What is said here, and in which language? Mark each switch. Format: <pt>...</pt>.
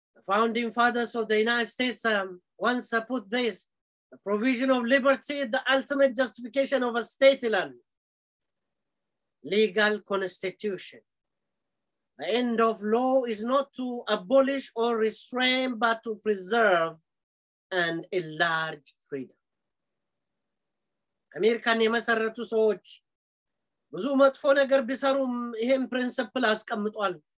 <en>Founding fathers of the United States once put this, the provision of liberty, the ultimate justification of a state land, legal constitution. The end of law is not to abolish or restrain, but to preserve and enlarge freedom.</en> <am>American የመሰረቱ ሰዎች ብዙ መጥፎ ነገር ቢሰሩም ይሄን principle አስቀምጧል.</am>